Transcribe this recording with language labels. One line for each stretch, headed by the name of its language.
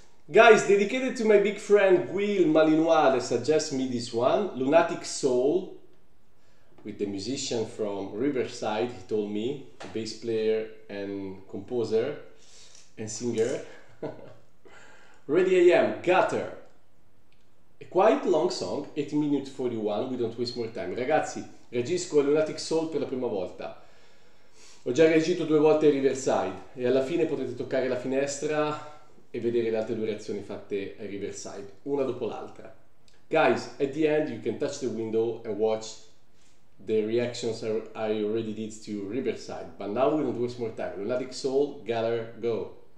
English: Guys, dedicated to my big friend Will Malinois that suggests me this one, Lunatic Soul, with the musician from Riverside, he told me, a bass player and composer and singer. Ready AM, Gutter. A quite long song, 8 minutes 41, we don't waste more time.
Italian: Ragazzi, registro Lunatic Soul per la prima volta. Ho già reagito due volte a Riverside e alla fine potete toccare la finestra e vedere le altre due reazioni fatte a Riverside, una dopo l'altra.
English: Guys, at the end you can touch the window and watch the reactions I already did to Riverside, but now we don't waste more time. Lunatic Soul, Gutter, go!